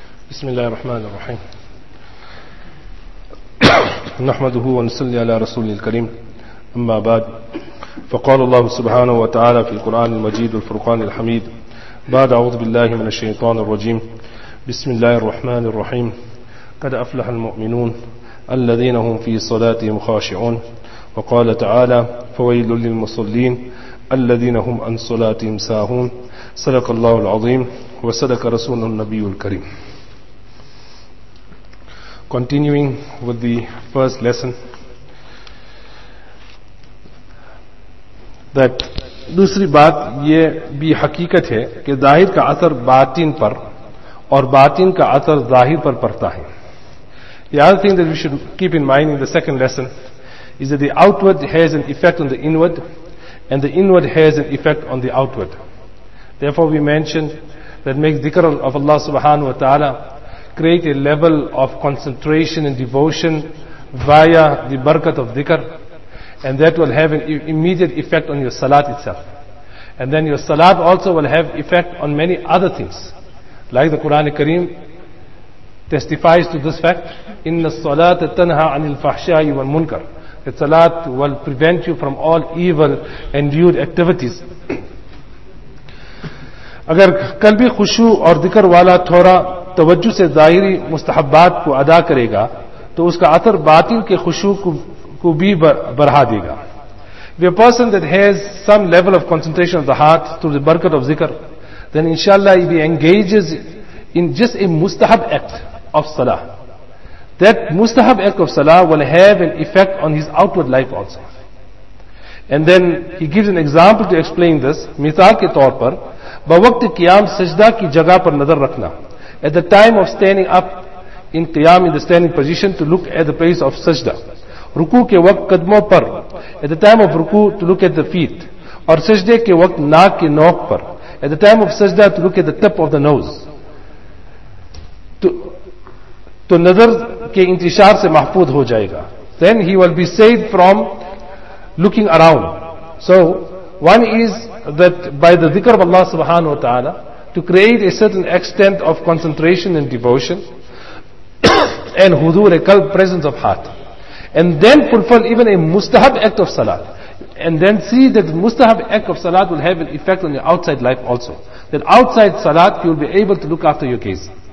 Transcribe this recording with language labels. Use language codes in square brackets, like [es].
[ar] بسم الله الرحمن الرحيم نحمده ونصلي على رسوله الكريم أما بعد فقال الله سبحانه وتعالى في القرآن المجيد والفرقان الحميد بعد أعوذ بالله من الشيطان الرجيم بسم الله الرحمن الرحيم قد أفلح المؤمنون الذين هم في صلاتهم خاشعون وقال تعالى فويل للمصلين الذين هم عن صلاتهم ساهون صدق الله العظيم وصدق رسوله النبي الكريم. [en] Continuing with the first lesson, that [ur] دوسری بات یہ بھی حقیقت ہے کہ ظاہر کا اثر باطن پر اور باطن کا اثر ظاہر پر پڑتا ہے. [en] The other thing that we should keep in mind in the second lesson is that the outward has an effect on the inward and the inward has an effect on the outward. Therefore we mentioned that makes dhikr of Allah subhanahu wa ta'ala create a level of concentration and devotion via the barakat of dhikr, and that will have an immediate effect on your salat itself. And then your salat also will have effect on many other things. Like the Quran al-Kareem testifies to this fact, [ar] إِنَّ الصَّلَاةَ تَنْهَى عَنِ الْفَحْشَاءِ وَالْمُنْكَرِ. [en] That salat will prevent you from all evil and lewd activities. [ur] اگر قلبی خشوع اور ذکر والا تھوڑا توجہ سے ظاہری مستحبات کو ادا کرے گا تو اس کا اثر باطن کے خشوع کو بھی بڑھا دے گا. [en] If a person that has some level of concentration of the heart through the barakat of ذکر, then inshallah if he engages in just a mustahab act of salah, that mustahab act of salah will have an effect on his outward life also. And then he gives an example to explain this. [ur] مثال کے طور پر بوقت قیام سجدہ کی جگہ پر نظر رکھنا. [en] At the time of standing up in قیام, in the standing position, to look at the place of سجدہ. [ur] رکوع کے وقت قدموں پر. [en] At the time of رکوع to look at the feet. [ur] اور سجدے کے وقت ناک کے نوک پر. [en] At the time of سجدہ to look at the tip of the nose. [ur] تو نظر کے انتشار سے محفوظ ہو جائے گا. [en] Then he will be saved from looking around. So one is that by the dhikr of Allah subhanahu wa ta'ala to create a certain extent of concentration and devotion and hudur, a qalb, presence of heart, and then fulfill even a mustahab act of salat, and then see that mustahab act of salat will have an effect on your outside life also, that outside salat you will be able to look after your gaze.